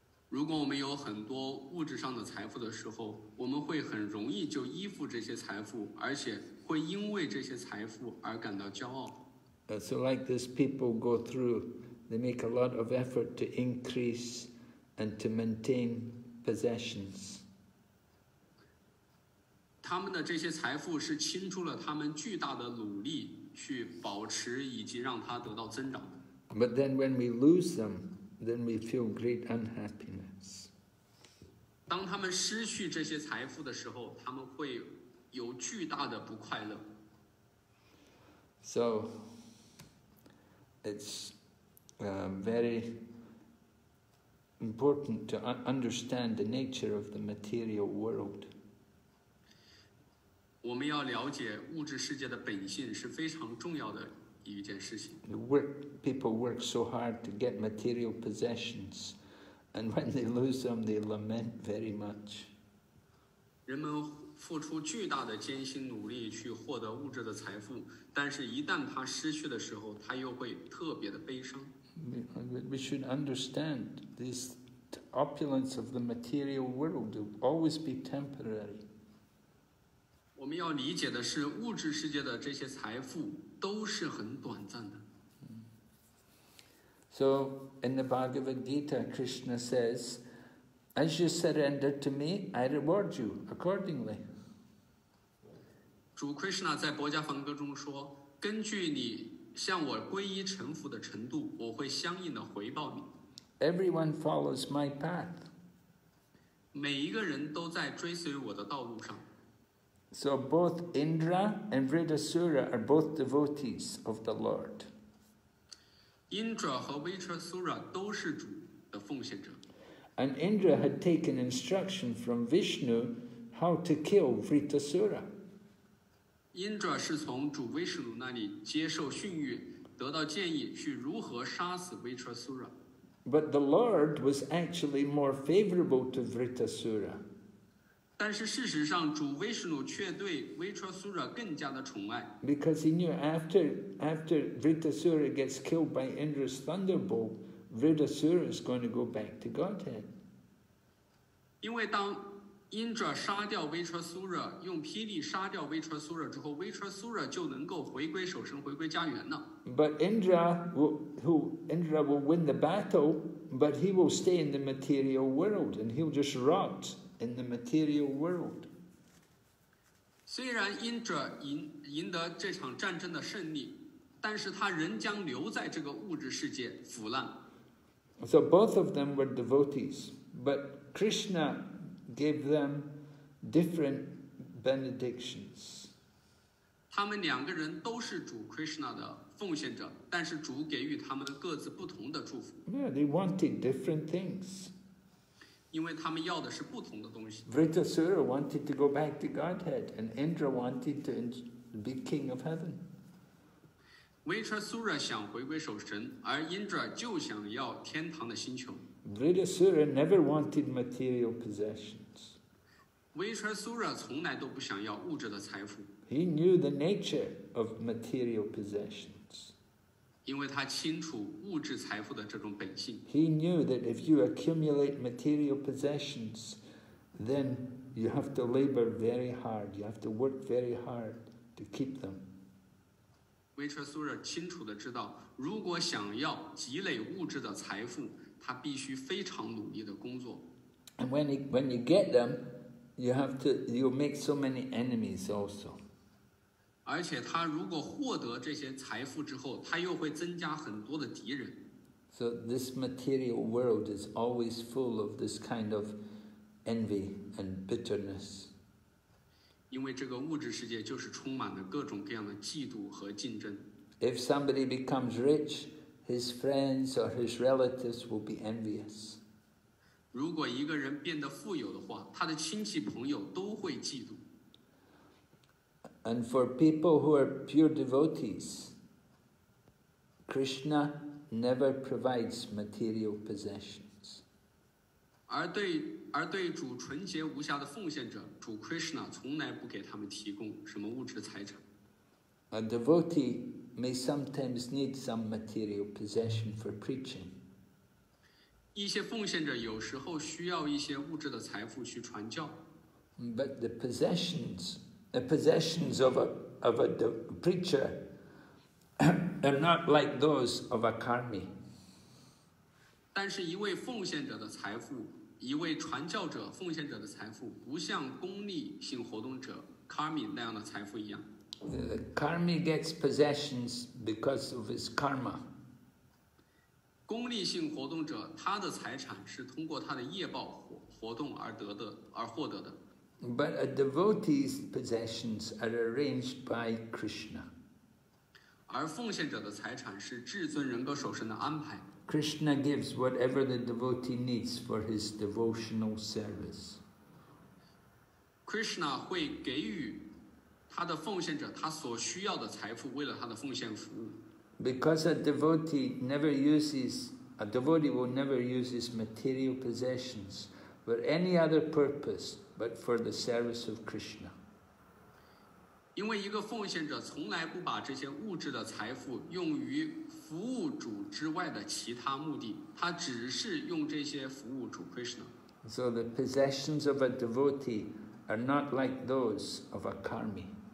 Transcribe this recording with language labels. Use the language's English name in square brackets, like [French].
[Chinese] 如果我们有很多物质上的财富的时候，我们会很容易就依附这些财富，而且会因为这些财富而感到骄傲。 [English] So like these people go through, they make a lot of effort to increase and to maintain possessions. [Chinese] 他们的这些财富是倾注了他们巨大的努力去保持以及让它得到增长。 [English] But then when we lose them,then we feel great unhappiness. [Chinese] 当他们失去这些财富的时候，他们会有巨大的不快乐。 [English] So it's very important to understand the nature of the material world. [Chinese] 我们要了解物质世界的本性是非常重要的一件事情。 [English] People work so hard to get material possessions, and when they lose them, they lament very much. [Chinese] 人们付出巨大的艰辛努力去获得物质的财富，但是一旦他失去的时候，他又会特别的悲伤。 [English] We should understand this opulence of the material world will always be temporary. [Chinese] 我们要理解的是，物质世界的这些财富都是很短暂的。 [English] So in the Bhagavad Gita, Krishna says, as you surrender to me, I reward you accordingly. [Chinese] 主 Krishna 在薄伽梵歌中说，根据你向我皈依臣服的程度，我会相应的回报你。 [English] Everyone follows my path. [Chinese] 每一个人都在追随我的道路上。 [English] So both Indra and Vritasura are both devotees of the Lord. [Chinese] Indra 和 Vritasura 都是主的奉献者。 [English] And Indra had taken instruction from Vishnu how to kill Vritasura. [Chinese] Indra 是从主 Vishnu 那里接受训谕，得到建议去如何杀死 Vritrasura。 [English] But the Lord was actually more favorable to Vritrasura. [Chinese] 但是事实上，主威士努却对 Vritrasura 更加的宠爱。 [English] Because he knew after Vritrasura gets killed by Indra's thunderbolt, Vritrasura is going to go back to Godhead. [Chinese] 因为当因着杀掉威车苏热，用霹雳杀掉威车苏热之后，威车苏热就能够回归守神，回归家园了。 [English] But Indra will win the battle, but he will stay in the material world, and he'll just rot in the material world. [Chinese] 虽然因着赢得这场战争的胜利，但是他仍将留在这个物质世界腐烂。 [English] So both of them were devotees, but Krishna. Gave them different benedictions. [Chinese] 他们两个人都是主 Krishna 的奉献者，但是主给予他们各自不同的祝福。 [English] Yeah, they wanted different things. [Chinese] 因为他们要的是不同的东西。 [English] Vritrasura wanted to go back to Godhead, and Indra wanted to be king of heaven. [Chinese] Vritrasura 想回归守神，而 Indra 就想要天堂的星球。 [English] Vritrasura never wanted material possessions. [Chinese] Vritrasura 从来都不想要物质的财富。 [English] He knew the nature of material possessions. [Chinese] 因为他清楚物质财富的这种本性。 [English] He knew that if you accumulate material possessions, then you have to labor very hard. You have to work very hard to keep them. [Chinese] Vritrasura 清楚地知道，如果想要积累物质的财富。他必须非常努力的工作。 [English] And when you get them, you make so many enemies also. [Chinese] 而且他如果获得这些财富之后，他又会增加很多的敌人。 [English] So this material world is always full of this kind of envy and bitterness. [Chinese] 因为这个物质世界就是充满了各种各样的嫉妒和竞争。 [English] If somebody becomes rich,His friends or his relatives will be envious. [Chinese] 如果一个人变得富有的话，他的亲戚朋友都会嫉妒。 [English] And for people who are pure devotees, Krishna never provides material possessions. [Chinese] 而对主纯洁无瑕的奉献者，主 Krishna 从来不给他们提供什么物质财产。 [English] A devotee. May sometimes need some material possession for preaching. [Chinese] 一些奉献者有时候需要一些物质的财富去传教。 [English] But the possessions of a preacher are not like those of a karmi. [Chinese] 但是一位奉献者的财富，一位传教者奉献者的财富，不像功利性活动者 karmi 那样的财富一样。 [English] The karmi gets possessions because of his karma. [Chinese] 功利性活动者，他的财产是通过他的业报活动而获得的。 [English] But a devotee's possessions are arranged by Krishna. [Chinese] 而奉献者的财产是至尊人格守神的安排。 [English] Krishna gives whatever the devotee needs for his devotional service. [Chinese] Krishna 会给予。他的奉献者，他所需要的财富，为了他的奉献服务。 [English] Because a devotee will never use his material possessions for any other purpose but for the service of Krishna. [Chinese] 因为一个奉献者从来不把这些物质的财富用于服务主之外的其他目的，他只是用这些服务主 Krishna. [English] So the possessions of a devotee are not like those of a karmi.